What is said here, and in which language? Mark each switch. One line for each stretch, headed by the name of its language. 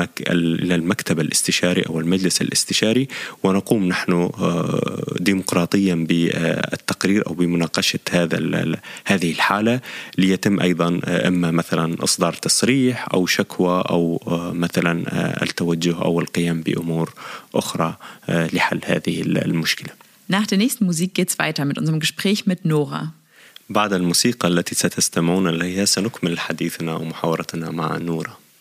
Arabic: المكتب الاستشاري أو المجلس الاستشاري ونقوم نحن ديمقراطيا بالتقرير أو بمناقشة هذه الحالة ليتم أيضا إما مثلا إصدار تصريح أو شكوى أو مثلا التوجه أو القيام بأمور أخرى لحل هذه المشكلة.
German: Nach der nächsten Musik geht's weiter mit unserem Gespräch mit Nora.
Arabic: بعد الموسيقى التي ستستمعون إليها سنكمل حديثنا ومحاورتنا مع نورا.